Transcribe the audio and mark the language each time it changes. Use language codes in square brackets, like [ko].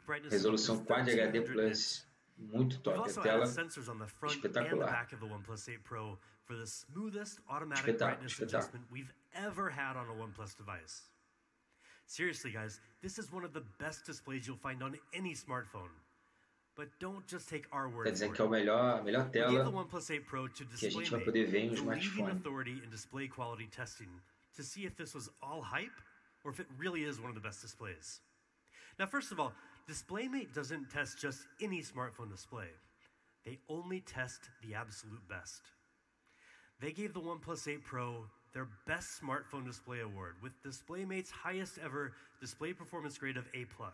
[pt] Resolução Quad HD Plus. Muito top. A tela espetacular. [en] O OnePlus 8 Pro for the smoothest automatic brightness adjustment we've ever had on a OnePlus device. Seriously, guys, this is one of the best displays you'll find on any smartphone. But don't just take our word for it. [pt] Que é a melhor tela que a gente vai poder ver em um smartphone. [en] Authority in display quality testing to see if this was all hype. Or if it really is one of the best displays. Now, first of all, DisplayMate doesn't test just any smartphone display. They only test the absolute best. They gave the OnePlus 8 Pro their best smartphone display award with DisplayMate's highest ever display performance grade of A+.